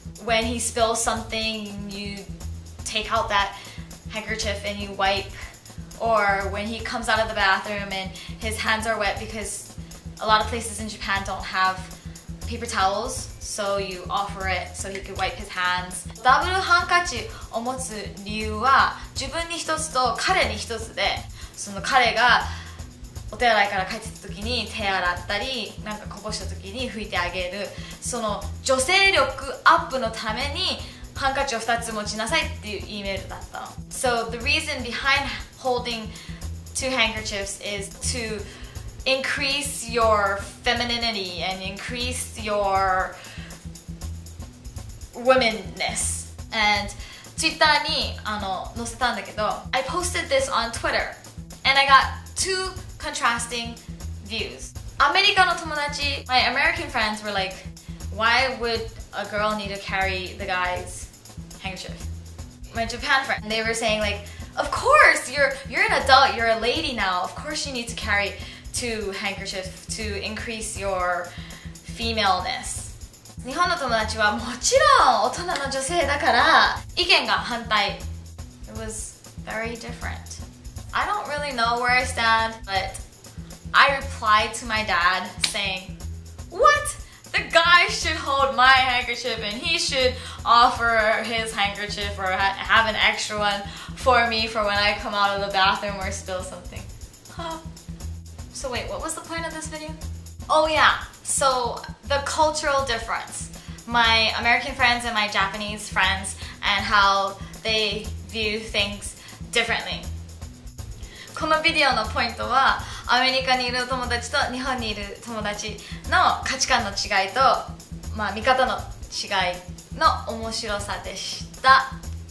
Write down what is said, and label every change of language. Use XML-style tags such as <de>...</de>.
<en>When he spills something, you take out that handkerchief and you wipe. Or when he comes out of the bathroom and his hands are wet because a lot of places in Japan don't have paper towels, so you offer it so he could wipe his hands.</en> <ja>ダブルハンカチを持つ理由は自分に一つと彼に一つで、その彼がお手洗いから帰ってた時に手洗ったり、なんかこぼした時に拭いてあげる、その女性力アップのためにハンカチを2つ持ちなさいっていう E メールだったの。</ja> <en>So the reason behind holding two handkerchiefs is toincrease your femininity and increase your womanness. And Twitter</en> <ja>に載せたんだけど、</ja> <en>I posted this on Twitter and I got two contrasting views.</en> <ja>アメリカの友達、</ja> <en>my American friends were like, why would a girl need to carry the guy's handkerchief? My Japan friend, they were saying like, of course, you're an adult, you're a lady now, of course you need to carrytwo handkerchiefs to increase your femaleness.</en> <ja>日本の友達はもちろん大人の女性だから意見が反対。</ja> <en>It was very different. I don't really know where I stand, but I replied to my dad saying, what? The guy should hold my handkerchief and he should offer his handkerchief or have an extra one for me for when I come out of the bathroom or spill something. So wait, what was the point of this video? Oh yeah, so the cultural difference. My American friends and my Japanese friends and how they view things differently.</en> <ja>このビデオのポイントはアメリカにいる友達と日本にいる友達の価値観の違いと、まあ、見方の違いの面白さでした。</ja>